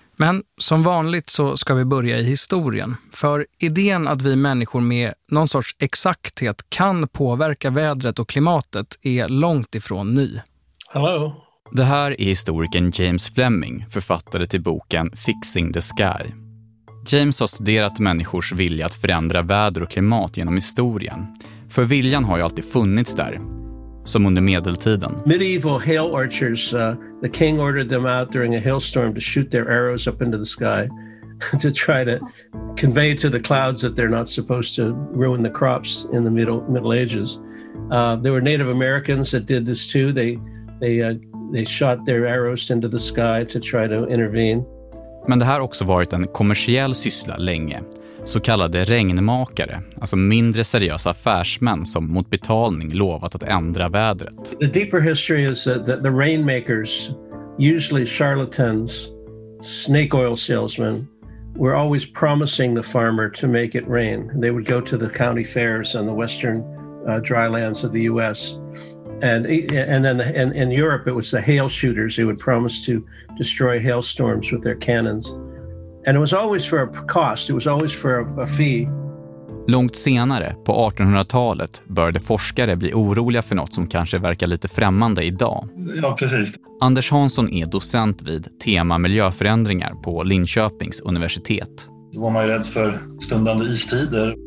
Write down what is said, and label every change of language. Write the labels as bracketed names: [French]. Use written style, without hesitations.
[Swedish] Men som vanligt så ska vi börja i historien. För idén att vi människor med någon sorts exakthet kan påverka vädret och klimatet är långt ifrån ny. [English] Hello. [Swedish] Det här är historikern James Fleming, författare till boken Fixing the Sky. James har studerat människors vilja att förändra väder och klimat genom historien. För viljan har ju alltid funnits där. Som under medeltiden. [English] Medieval hail archers, the king ordered them out during a hailstorm to shoot their arrows up into the sky to try to convey to the clouds that they're not supposed to ruin the crops in the middle ages. There were Native Americans that did this too. They shot their arrows into the sky to try to intervene. [Swedish] Men det här också varit en kommersiell syssla länge. Så kallade regnmakare, alltså mindre seriösa affärsmän som mot betalning lovat att ändra vädret. [English] The deeper history is that the rainmakers, usually charlatans, snake oil salesmen, were always promising the farmer to make it rain. They would go to the county fairs on the western dry lands of the US. And then in Europe it was the hail shooters who would promise to destroy hailstorms with their cannons. And it was always for a cost, it was always for a fee. [Swedish] Långt senare, på 1800-talet, började forskare bli oroliga för något som kanske verkar lite främmande idag. Ja, precis. Anders Hansson är docent vid tema miljöförändringar på Linköpings universitet. Då var man ju rädd för stundande istider.